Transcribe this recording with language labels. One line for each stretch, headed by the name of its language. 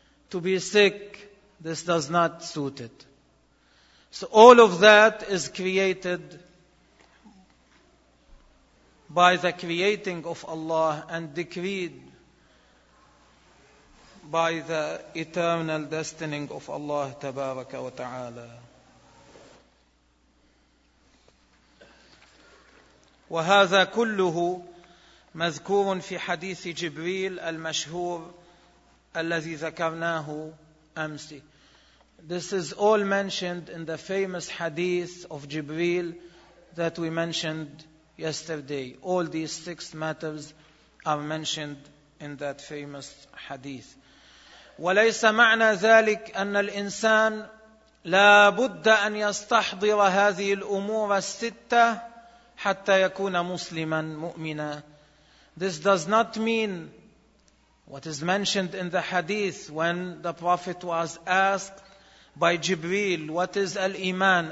English: To be sick, this does not suit it. So all of that is created by the creating of Allah and decreed by the eternal destining of Allah Tabaraka wa Ta'ala.
Arabic: وهذا كله مذكور في حديث جبريل المشهور الذي ذكرناه أمس.
English: This is all mentioned in the famous hadith of Jibreel that we mentioned yesterday. All these six matters are mentioned in that famous hadith.
Arabic: وليس معنى ذلك أن الإنسان لا بد أن يستحضر هذه الأمور الستة حتى يكون مسلما مؤمنا.
English: This does not mean what is mentioned in the hadith when the Prophet was asked by Jibreel, what is al-Iman?